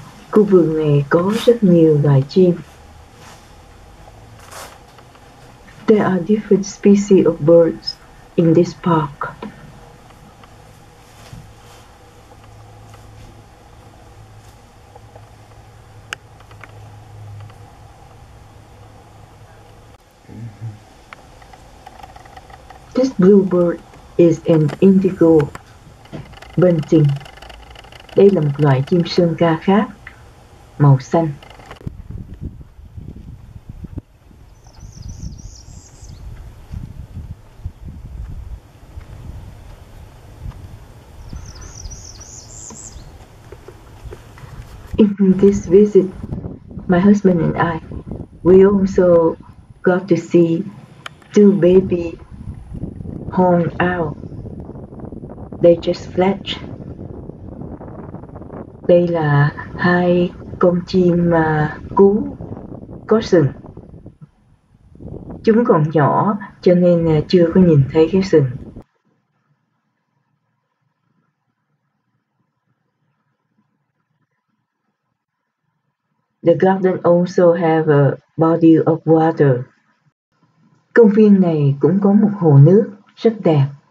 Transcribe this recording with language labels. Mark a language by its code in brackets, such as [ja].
[vi] Khu vườn này có rất nhiều loài chim. [en] There are different species of birds in this park. This bluebird is an indigo bunting. [vi] Đây là một loài chim sơn ca khác, màu xanh. [en] In this visit, my husband and I, we also got to see two baby horned owl. They just fledged. [vi] Đây là hai con chim cú có sừng. Chúng còn nhỏ cho nên chưa có nhìn thấy cái sừng. [en] The garden also have a body of water. [vi] Công viên này cũng có một hồ nước rất đẹp.